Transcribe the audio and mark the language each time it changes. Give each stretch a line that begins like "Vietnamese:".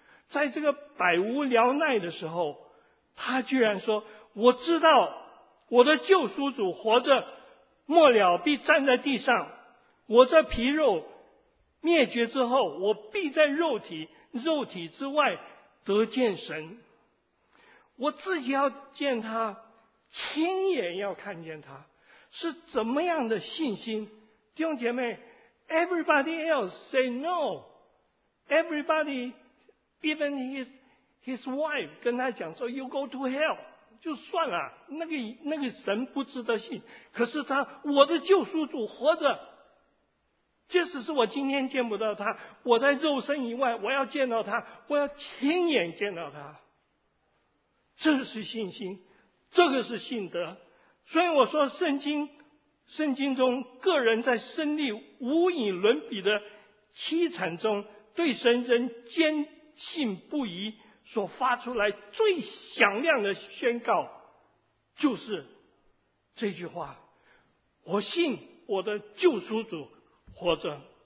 Chinese: 在这个百无聊赖的时候，他居然说，我知道我的救赎主活着，末了必站在地上，我这皮肉灭绝之后，我必在肉体，肉体之外得见神。我自己要见他，亲眼要看见他，是怎么样的信心？弟兄姐妹，
English: everybody else say no， everybody even his wife
Chinese: 跟他讲说
English: you go to hell，
Chinese: 就算了，那个神不值得信。可是他，我的救赎主活着，即使是我今天见不到他，我在肉身以外，我要见到他，我要亲眼见到他。这是信心，这个是信德。所以我说圣经中个人在生力无以伦比的凄惨中，对神仍坚信不疑所发出来最响亮的宣告，就是这句话，我信我的救赎主活着。